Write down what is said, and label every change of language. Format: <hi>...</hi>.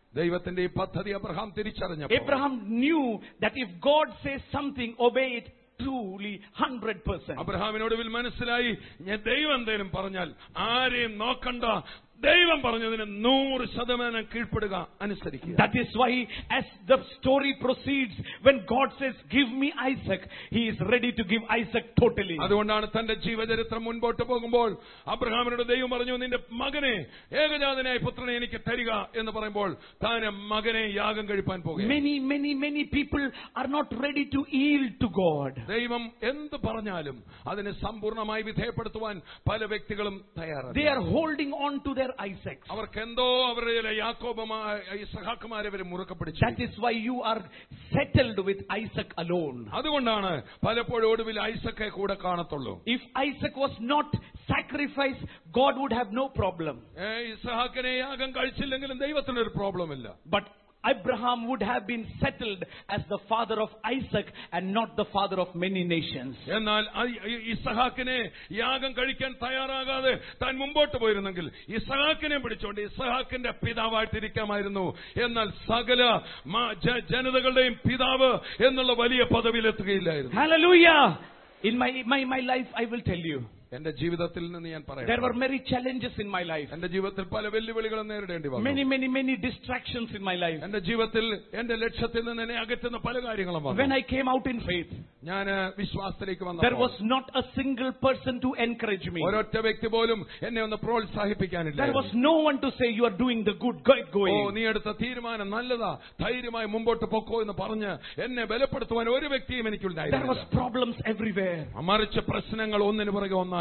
<ml>ദൈവത്തിന്റെ ഈ പദ്ധതി അബ്രഹാം തിരിച്ചറിഞ്ഞു.</ml> <en>Abraham knew that if God says something obey it truly 100%.</en> <ml>അബ്രഹാമിനോട് മനസ്സിലായി ദൈവം എന്തെങ്കിലും പറഞ്ഞാൽ ആരെയും നോക്കണ്ട, ദൈവം പറഞ്ഞതിന് 100% കീഴ്പ്പെടുക, അനുസരിക്കുക.</ml> <en>That is why as the story proceeds, when God says give me Isaac, he is ready to give Isaac totally.</en> <ml>അതുകൊണ്ടാണ് തന്റെ ജീവചരിത്രം മുൻപോട്ട് പോകുമ്പോൾ അബ്രഹാമിനോട് ദൈവം പറഞ്ഞു, നിന്റെ മകനെ, ഏകജാതനായ പുത്രനെ എനിക്ക് തരിക എന്ന് പറയുമ്പോൾ താനെ മകനെ യാഗം കഴിപ്പാൻ പോകുന്നു.</ml> <en>Many people are not ready to yield to God.</en> <ml>ദൈവം എന്ത് പറഞ്ഞാലും അതിനെ സമ്പൂർണ്ണമായി വിധേയപ്പെടുത്തുവാൻ പല വ്യക്തികളും തയ്യാറല്ല.</ml> <en>They are holding on to their Isaac.</en> <ml>അവർക്കെന്തോ അവരുടെ യാക്കോബുമായി സഹാക്കുമാരെ വരെ മുറുക്കെ പിടിച്ചു.</ml> <en>That is why you are settled with Isaac alone.</en> <ml>അതുകൊണ്ടാണ് പലപ്പോഴും ഒടുവിൽ ഐസക്കെ കൂടെ കാണത്തുള്ളൂ.</ml> <en>If Isaac was not sacrificed, God would have no problem.</en> <ml>ഇസഹാക്കിനെ യാഗം കഴിച്ചില്ലെങ്കിലും ദൈവത്തിന് ഒരു പ്രോബ്ലം ഇല്ല.</ml> <en>But Abraham would have been settled as the father of Isaac and not the father of many nations.</en> <ml>എന്നാൽ ഇസഹാക്കിനെ യാഗം കഴിക്കാൻ തയ്യാറാകാതെ താൻ മുമ്പോട്ട് പോയിരുന്നെങ്കിൽ ഇസഹാക്കിനെ പിടിച്ചുകൊണ്ട് ഇസഹാക്കിന്റെ പിതാവായിട്ടിരിക്കാമായിരുന്നു. എന്നാൽ സകല ജനതകളുടെയും പിതാവ് എന്നുള്ള വലിയ പദവിയിൽ എത്തുകയില്ലായിരുന്നു.</ml> <en>Hallelujah. In my life I will tell you,</en> <ml>എന്റെ ജീവിതത്തിൽ നിന്ന് ഞാൻ പറയാം,</ml> <en>there were many challenges in my life.</en> <ml>എന്റെ ജീവിതത്തിൽ പല വെല്ലുവിളികളും നേരിടേണ്ടി വന്നു.</ml> <en>Many distractions in my life.</en> <ml>എന്റെ ജീവിതത്തിൽ എന്റെ ലക്ഷ്യത്തിൽ നിന്ന് എന്നെ അകറ്റുന്ന പല കാര്യങ്ങളും വന്നു.</ml> <en>When I came out in faith,</en> <ml>ഞാൻ വിശ്വാസത്തിലേക്ക് വന്നു.</ml> <en>There was not a single person to encourage me.</en> <ml>ഒരൊറ്റ വ്യക്തി പോലും എന്നെ ഒന്ന് പ്രോത്സാഹിപ്പിക്കാനില്ല.</ml> <en>There was no one to say you are doing the good, get going.</en> <ml>ഓ, നീ എടുത്ത തീരുമാനം നല്ലതാ, ധൈര്യമായി മുമ്പോട്ട് പോകൂ എന്ന് പറഞ്ഞു എന്നെ ബലപ്പെടുത്തുവാൻ ഒരു വ്യക്തിയും എനിക്കുണ്ടായില്ല.</ml> <en>There was problems everywhere.</en> <ml>മറിച്ച് പ്രശ്നങ്ങൾ ഒന്നിനു പുറകെ ഒന്ന്.</ml>